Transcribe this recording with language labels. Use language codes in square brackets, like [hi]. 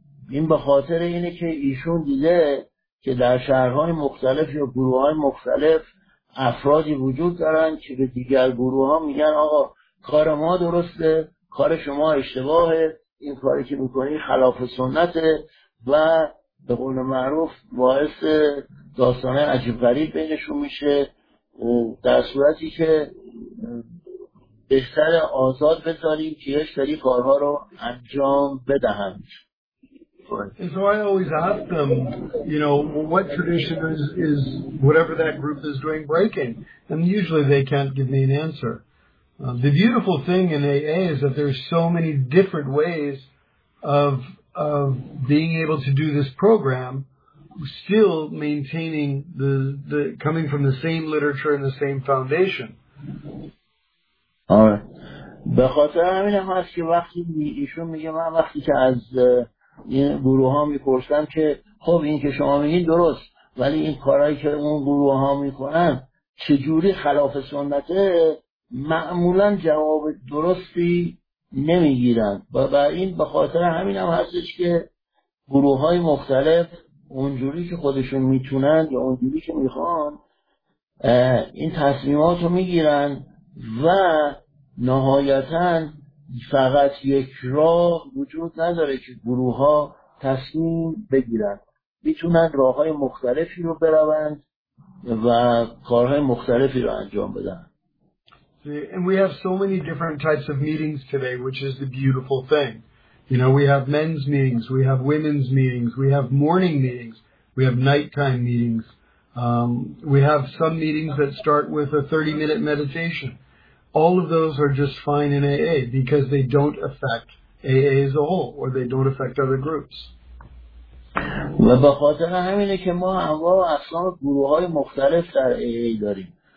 [fa] این به خاطر اینه که ایشون دیده که در شهرهای مختلف یا گروه‌های مختلف افرادی وجود دارن که به دیگر گروه‌ها میگن آقا کار ما درسته، کار شما اشتباهه، این کاری که می‌کنی خلاف سنته و به قول معروف باعث داستانه عجیب غریب بینشون میشه، در صورتی که بهتر آزاد بذاریم که یه سری کارها رو انجام بدهند. [en] And so I always ask them, you know, what tradition is whatever that group is doing breaking? And usually they can't give me an answer. The beautiful thing in AA is that there's so many different ways of being able to do this program, still maintaining the coming from the same literature and the same foundation. [fa] آره. به خاطر همین هم هست که وقتی ایشون میگه من وقتی که از این گروه ها میپرسم که خب این که شما میگین درست ولی این کارهایی که اون گروه ها میکنن چجوری خلاف سنته، معمولا جواب درستی نمیگیرن و این به خاطر همین هم هستش که گروه های مختلف اونجوری که خودشون میتونن یا اونجوری که میخوان این تصمیمات رو میگیرن و نهایتاً فقط یک راه وجود نداره که گروه ها تصمیم بگیرن، میتونن راه های مختلفی رو بروند و کارهای مختلفی رو انجام بدن. [en] And we have so many different types of meetings today, which is the beautiful thing. You know, we have men's meetings, we have women's meetings, we have morning meetings, we have nighttime meetings. We have some meetings that start with a 30-minute meditation. All of those are just fine in AA because they don't affect AA as a whole, or they don't affect other groups. [fa] و به خاطر همینه که ما انواع و اقسام گروه های مختلف در AA داریم.